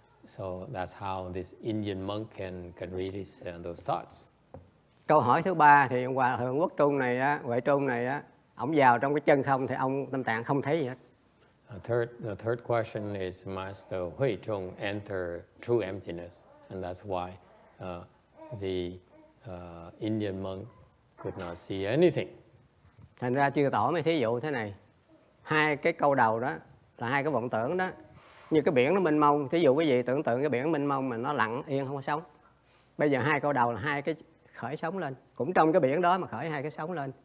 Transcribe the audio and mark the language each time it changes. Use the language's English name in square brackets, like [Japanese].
[English] So that's how this Indian monk can read his those thoughts. [Vietnamese] Câu hỏi thứ ba thì hòa thượng Quốc Trung này á, Huệ Trung này á, ổng vào trong cái chân không thì ông Tâm Tạng không thấy gì hết. [English] The third question is Master Huệ Trung enter true emptiness and that's why the Indian monk could not see anything. [Vietnamese] Thành ra chư tổ mới thí dụ thế này. Hai cái câu đầu đó là hai cái vọng tưởng đó. Như cái biển nó mênh mông, thí dụ cái gì tưởng tượng cái biển mênh mông mà nó lặng yên không có sóng. Bây giờ hai câu đầu là hai cái khởi sóng lên, cũng trong cái biển đó mà khởi hai cái sóng lên.